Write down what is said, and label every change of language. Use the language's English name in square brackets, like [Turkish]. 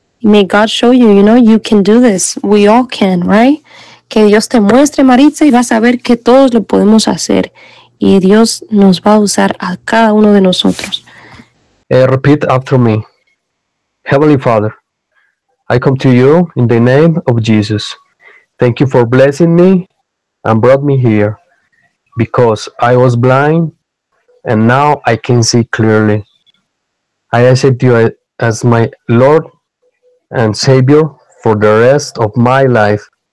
[English] May God show you, you can do this. We all can, right? [Spanish] Que Dios te muestre, Maritza, y vas a ver que todos lo podemos hacer. Y Dios nos va a usar a cada uno de nosotros. [English] Repeat after me. Heavenly Father, I come to you in the name of Jesus. Thank you for blessing me and brought me here, because I was blind and now I can see clearly. I accept you as my Lord and Savior for the rest of my life.